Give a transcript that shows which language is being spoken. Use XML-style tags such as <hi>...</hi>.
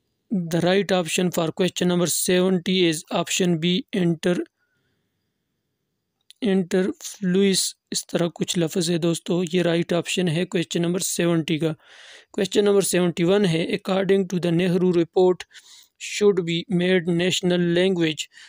<en>The right option for question number 70 is option B, interfluous.</en> <ur>اس طرح کچھ لفظ ہے دوستو, یہ right option ہے question number 70 کا.</ur> <en>Question number 71 ہے, according to the Nehru report should be made national language.</en>